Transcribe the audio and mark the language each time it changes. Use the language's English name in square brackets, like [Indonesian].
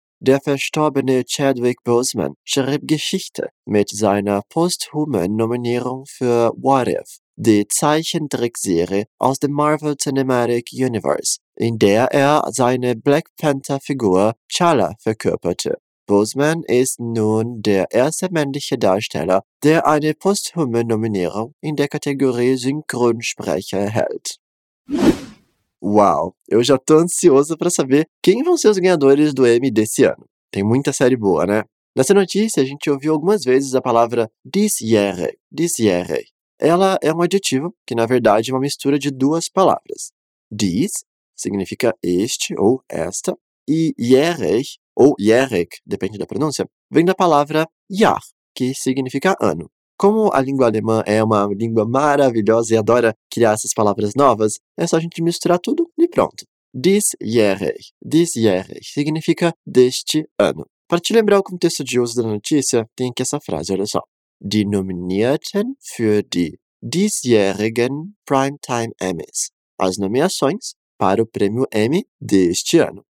[German] Der verstorbene Chadwick Boseman schrieb Geschichte mit seiner posthumen Nominierung für What If, die Zeichentrickserie aus dem Marvel Cinematic Universe, in der er seine Black Panther-Figur T'Challa verkörperte. Boseman ist nun der erste männliche Darsteller, der eine posthume Nominierung in der Kategorie Synchronsprecher erhält. [Portuguese] Uau, eu já tô ansioso pra saber quem vão ser os ganhadores do Emmy desse ano. Tem muita série boa, né? Nessa notícia, a gente ouviu algumas vezes a palavra dies iere. Ela é um adjetivo que, na verdade, é uma mistura de duas palavras. Dies significa este ou esta, e iere, ou Yerek, depende da pronúncia, vem da palavra Jahr, que significa ano. Como a língua alemã é uma língua maravilhosa e adora criar essas palavras novas, é só a gente misturar tudo e pronto. Dies Jahr significa deste ano. Para te lembrar o contexto de uso da notícia, tem aqui essa frase, olha só. [German] Die Nominierten für die diesjährigen Primetime Emmys. [Portuguese] As nomeações para o prêmio Emmy deste ano.